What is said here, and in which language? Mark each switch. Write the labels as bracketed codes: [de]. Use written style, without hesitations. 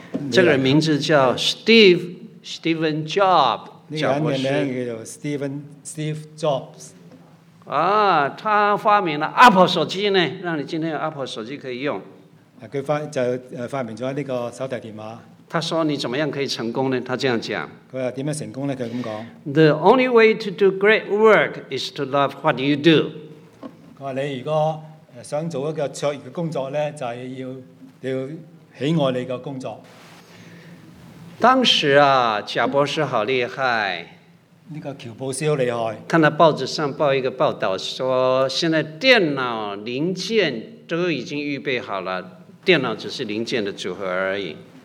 [zh] 这个人名字叫 Steven Jobs。这个人的名字叫 Steve Jobs。啊，他发明了 Apple 手机呢，让你今天有 Apple 手机可以用。他发明了这个手提电话。他说你怎么样可以成功呢？他这样讲。他说怎么成功呢？他这样讲。 [en] The only way to do great work is to love what you do. [zh] 他说你如果想做一个卓越的工作呢，就是要喜爱你的工作。当时啊，贾博士好厉害。这个乔布斯好厉害。看到报纸上报一个报道说，现在电脑零件都已经预备好了，电脑只是零件的组合而已。